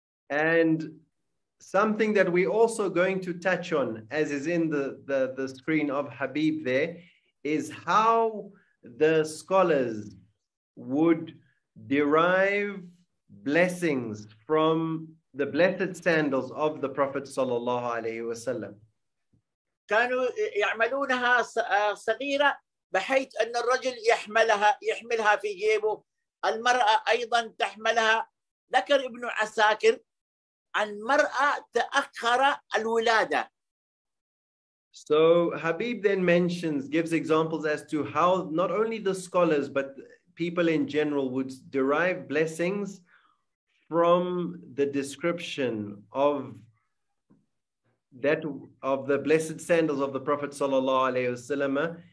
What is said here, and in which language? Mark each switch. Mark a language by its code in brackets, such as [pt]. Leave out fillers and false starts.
[en] And something that we also going to touch on, as is in the screen of Habib there, is how the scholars would derive blessings from the blessed sandals of the Prophet sallallahu alaihi wasallam. [ar] كانوا يعملونها صغيرة بحيث أن الرجل يحملها في جيبه. المرأة أيضا تحملها. ذكر ابن عساكر عن مرأة تأخر الولادة. [en] So Habib then mentions, gives examples as to how not only the scholars but people in general would derive blessings from the description of that of the blessed sandals of the Prophet sallallahu alaihi wasallam.